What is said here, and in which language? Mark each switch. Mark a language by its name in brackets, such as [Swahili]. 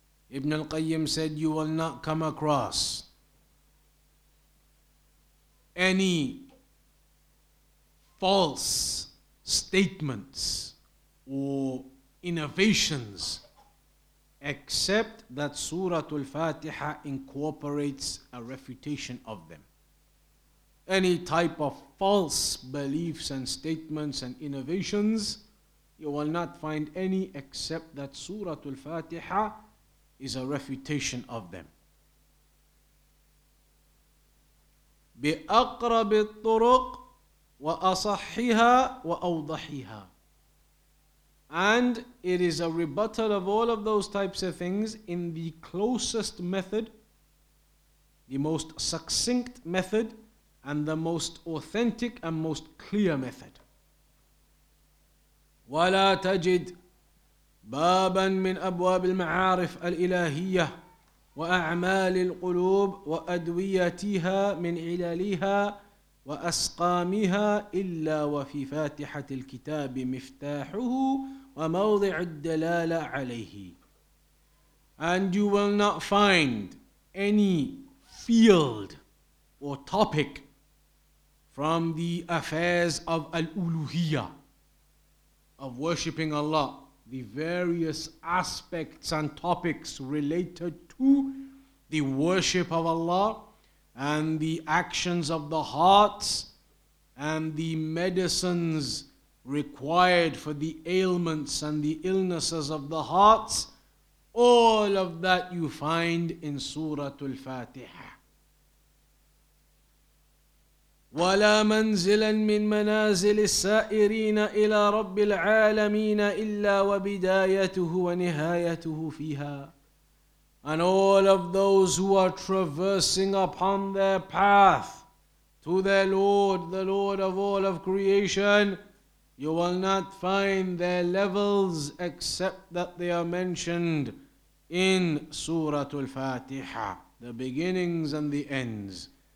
[English] Ibn al-Qayyim said, you will not come across any false statements or innovations except that Surah Al-Fatiha incorporates a refutation of them. Any type of false beliefs and statements and innovations, you will not find any except that Surah Al-Fatiha is a refutation of them. [Arabic] بأقرب الطرق وأصحها وأوضحها. [English] And it is a rebuttal of all of those types of things in the closest method, the most succinct method, and the most authentic and most clear method. [Arabic] ولا تجد بابا من أبواب المعارف الإلهية وأعمال القلوب وأدويتها من علالها وأسقامها إلا وفي فاتحة الكتاب مفتاحه وموضع الدلالة عليه. [English] And you will not find any field or topic from the affairs of al-uluhiyya, of worshipping Allah, the various aspects and topics related to the worship of Allah and the actions of the hearts and the medicines required for the ailments and the illnesses of the hearts, all of that you find in Surah Al-Fatiha. [Arabic] ولا منزلا من منازل السائرين إلى رب العالمين إلا وبدايته ونهايته فيها. [English] And all of those who are traversing upon their path to their Lord, the Lord of all of creation, you will not find their levels except that they are mentioned in Surah Al-Fatiha, the beginnings and the ends.